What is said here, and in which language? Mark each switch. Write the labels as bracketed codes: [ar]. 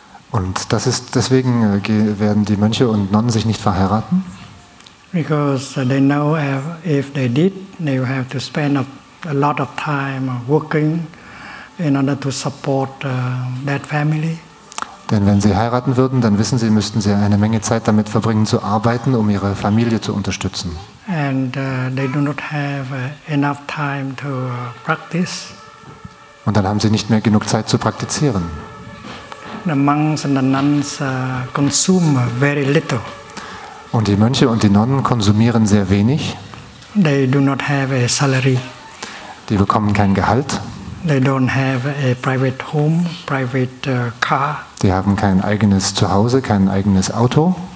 [de] Und das ist deswegen werden die Mönche und Nonnen sich nicht verheiraten? [en] Because they know if they did, they would have to spend a lot of time working in order to support that family. [de] Denn wenn sie heiraten würden, dann wissen sie, müssten sie eine Menge Zeit damit verbringen zu arbeiten, um ihre Familie zu unterstützen. [en] And they do not have enough time to practice. [de] Und dann haben sie nicht mehr genug Zeit zu praktizieren. [en] The monks and the nuns consume very little. [de] Und die Mönche und die Nonnen konsumieren sehr wenig. [en] They do not have a salary. [de] Die bekommen kein Gehalt. [en] They don't have a private home, private car. [de] Die haben kein eigenes Zuhause, kein eigenes Auto.